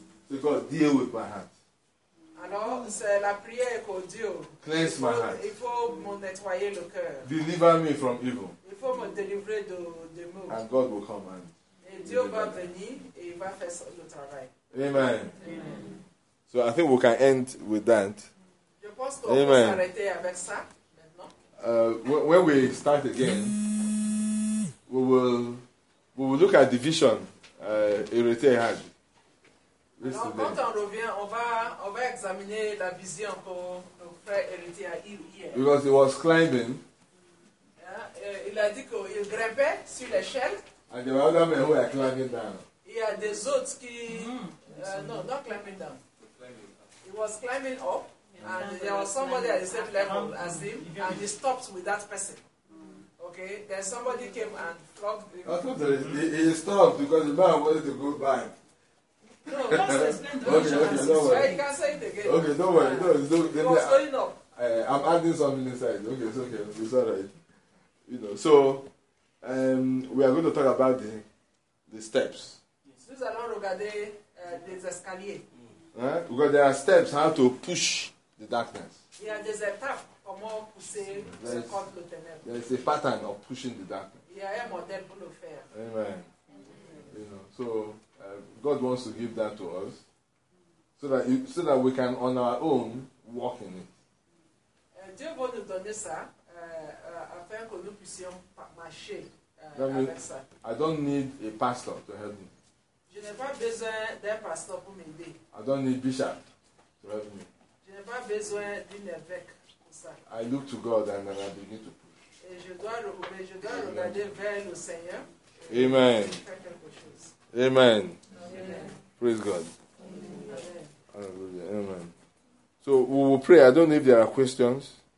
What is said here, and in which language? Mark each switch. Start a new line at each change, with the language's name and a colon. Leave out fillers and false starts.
English: So God, deal with my heart.
French: Alors c'est la prière pour Dieu.
English: Cleanse my heart.
French: Il faut me nettoyer le cœur.
English: Deliver me from evil.
French: Il faut me délivrer de mal.
English: And God will come and.
French: Et Dieu va venir et va faire le travail. Amen. Amen.
English: So I think we can end with that.
French: Je pense qu'on peut s'arrêter avec ça.
English: When we start again, we will look at the vision Irete had.
French: Alors, quand on revient, on va examiner la vision pour le frère Irete a eu hier.
English: Because he was climbing.
French: Yeah, il a dit qu'il grimpait sur l'échelle.
English: And there were other men who were climbing down.
French: Il y a des autres qui
English: not climbing down. He was climbing up. And there was somebody at the same level as him, and he stopped with that person. Okay, then somebody came and flogged him. I thought he stopped because the man wanted to go back. No, just explain the okay, way. You can say it again. Okay, don't worry. No, it's no, he was going up. I'm adding something inside. Okay, it's okay. It's all right. You know, so we are going to talk about the steps.
French: Nous allons regarder les escaliers.
English: Because there are steps how to push. The darkness.
French: Il y a des étapes comment pousser ce contre le ténèbre.
English: There is a pattern of pushing the darkness.
French: Il y a un modèle pour le faire. Amen. Amen.
English: You know, so God wants to give that to us, so that we can on our own walk in it.
French: Dieu veut nous donner ça afin que nous puissions marcher avec ça.
English: I don't need a pastor to help me.
French: Je n'ai pas besoin d'un pasteur pour m'aider.
English: I don't need bishop to help me.
French: Je n'ai pas besoin d'une évêque pour ça.
English: I look to God and then I begin to pray.
French: Et je dois regarder vers le Seigneur. Et amen. Chose. Amen. Amen.
English: Praise God. Amen. Hallelujah. Amen. So we will pray. I don't know if there are questions.